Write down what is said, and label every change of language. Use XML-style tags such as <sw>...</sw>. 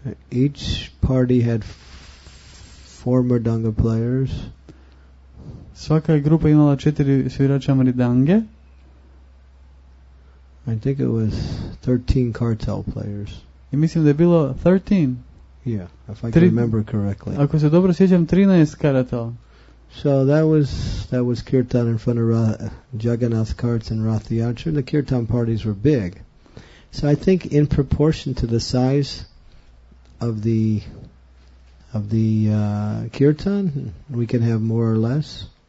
<en>Each party had four mridanga players.</en> <hr>Svaka grupa imala 4 svirača mridange.</hr> <en>I think it was 13 kartal players.</en> <hr>I mislim da je bilo 13.</hr> <en>Yeah, if I can remember correctly.</en> <hr>Ako se dobro sjećam, 13 karatala.</hr> <en>So that was kirtan in front of Jagannath carts and Rath Yatra. The kirtan parties were big. So I think in proportion to the size of the kirtan, we can have more or less.</en>